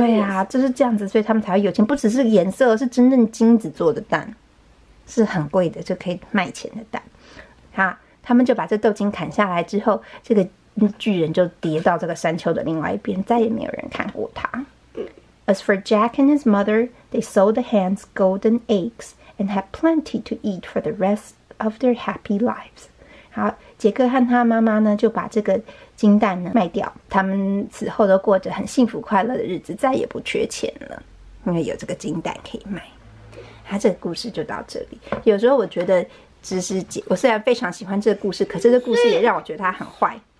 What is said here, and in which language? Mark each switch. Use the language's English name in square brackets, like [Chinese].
[Chinese] 对啊，就是这样子，所以他们才会有钱。不只是颜色，是真正金子做的蛋，是很贵的，就可以卖钱的蛋。他们就把这豆茎砍下来之后，这个巨人就跌到这个山丘的另外一边，再也没有人看过他。 [English] As for Jack and his mother, they sold the hen's golden eggs. And had plenty to eat for the rest of their happy lives. [Chinese] 好，杰克和他妈妈呢就把这个金蛋呢卖掉，他们此后都过着很幸福快乐的日子，再也不缺钱了，因为有这个金蛋可以卖。他这个故事就到这里。有时候我觉得，只是我虽然非常喜欢这个故事，可是这个故事也让我觉得他很坏。